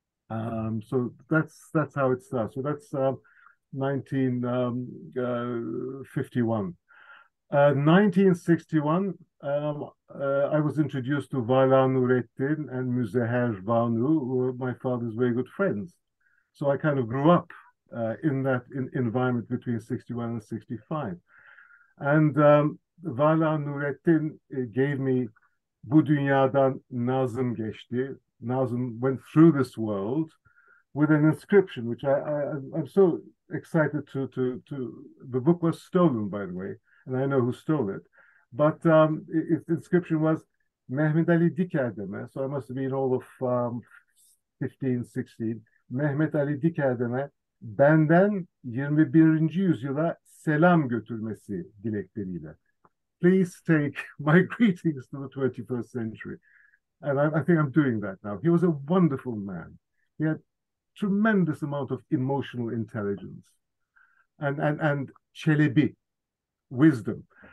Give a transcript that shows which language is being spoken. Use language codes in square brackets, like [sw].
[tr] So that's how it starts. So that's 1951. 1961, I was introduced to Vala Nurettin and Müzeher Banu, who were my father's very good friends. So I kind of grew up in that environment between 61 and 65. And Vala Nurettin gave me Bu Dünyadan Nazım Geçti. Nazım went through this world with an inscription, which I'm so excited to. The book was stolen, by the way, and I know who stole it. But the inscription was Mehmet Ali Diker Deme. So I must have been all of 15, 16. Mehmet Ali Diker Deme, benden 21. yüzyıla selam götürmesi dilekleriyle. [en] Please take my greetings to the 21st century. And I think I'm doing that now. He was a wonderful man. He had tremendous amount of emotional intelligence and çelebi, wisdom.